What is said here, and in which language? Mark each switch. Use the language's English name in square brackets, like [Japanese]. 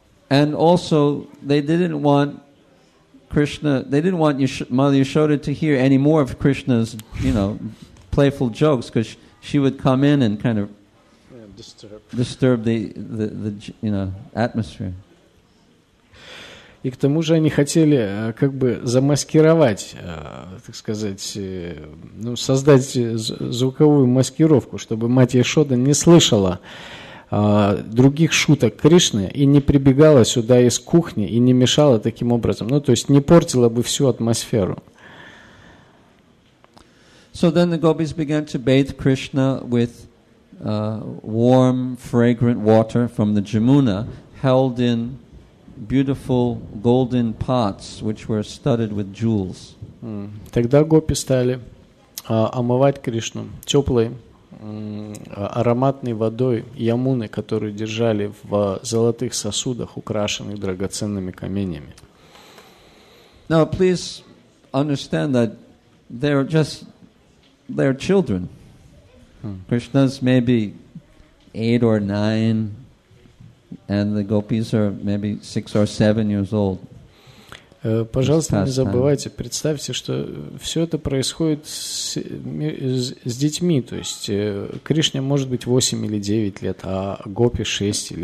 [English] And also, they didn't want Mother Yashoda to hear any more of Krishna's, you know, playful jokes, because she would come in and kind of disturb the you know, atmosphere. [Russian] И к тому же они хотели как бы замаскировать, так сказать, ну, создать звуковую маскировку, чтобы мать Яшода не слышала других шуток Кришны и не прибегала сюда из кухни и не мешала таким образом. Ну, то есть не портила бы всю атмосферу. [English] So then the gopis began to bathe Krishna with warm, fragrant water from the Jamuna, held in beautiful golden pots, which were studded with jewels. [Russian] Тогда гопи стали омывать Кришну теплой ароматной водой Ямуны, которую держали в золотых сосудах, украшенных драгоценными каменями. [English] Now, please understand that they're children. Krishna's maybe 8 or 9, and the gopis are maybe 6 or 7 years old. [Russian] Пожалуйста, не забывайте, представьте, что все это происходит с детьми, то есть Кришне может быть 8 или 9 лет, а гопи 6 или